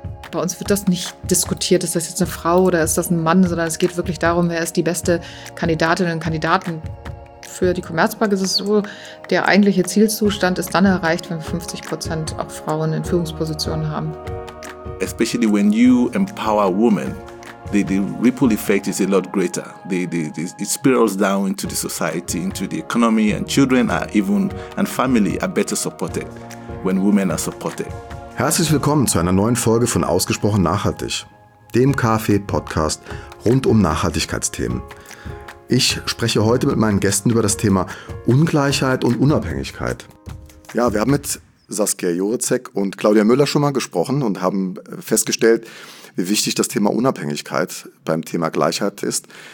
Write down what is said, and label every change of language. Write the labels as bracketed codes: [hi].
[de] Bei uns wird das nicht diskutiert, ist das jetzt eine Frau oder ist das ein Mann, sondern es geht wirklich darum, wer ist die beste Kandidatin und Kandidaten. Für die Commerzbank ist es so, der eigentliche Zielzustand ist dann erreicht, wenn wir 50% auch Frauen in Führungspositionen haben. [en] Especially when you empower women, the ripple effect is a lot greater. It spirals down into the society, into the economy, and children are even and family are better supported when women are supported. [de] Herzlich willkommen zu einer neuen Folge von Ausgesprochen nachhaltig, dem KfW-Podcast rund um Nachhaltigkeitsthemen. Ich spreche heute mit meinen Gästen über das Thema Ungleichheit und Unabhängigkeit. Ja, wir haben mit Saskia Jurecek und Claudia Müller schon mal gesprochen und haben festgestellt, wie wichtig das Thema Unabhängigkeit beim Thema Gleichheit ist.